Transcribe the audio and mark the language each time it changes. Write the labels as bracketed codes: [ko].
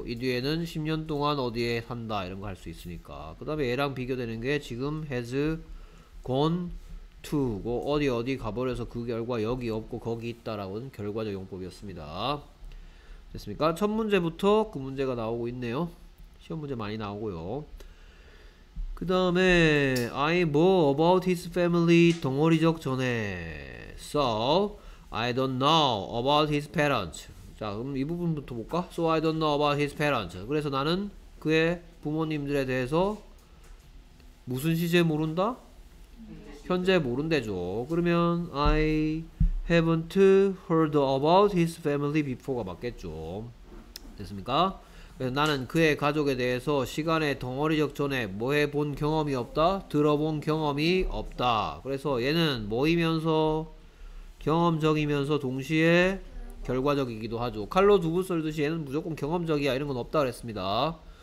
[ko] 이 뒤에는 10년 동안 어디에 산다 이런 거 할 수 있으니까. 그 다음에 얘랑 비교되는 게 지금 has gone to 고 어디 어디 가버려서 그 결과 여기 없고 거기 있다라는 결과적 용법이었습니다. 됐습니까? 첫 문제부터 그 문제가 나오고 있네요. 시험 문제 많이 나오고요. 그 다음에 [en] I know about his family [ko] 동어리적 전에 [en] So I don't know about his parents. [ko] 자 그럼 이 부분부터 볼까? [en] So I don't know about his parents. [ko] 그래서 나는 그의 부모님들에 대해서 무슨 시제 모른다? 현재 모른대죠. 그러면 [en] I haven't heard about his family before가 [ko] 맞겠죠. 됐습니까? 그래서 나는 그의 가족에 대해서 시간의 덩어리적 전에 뭐해 본 경험이 없다? 들어본 경험이 없다. 그래서 얘는 뭐이면서 경험적이면서 동시에 결과적이기도 하죠. 칼로 두부 썰듯이 얘는 무조건 경험적이야 이런 건 없다 그랬습니다.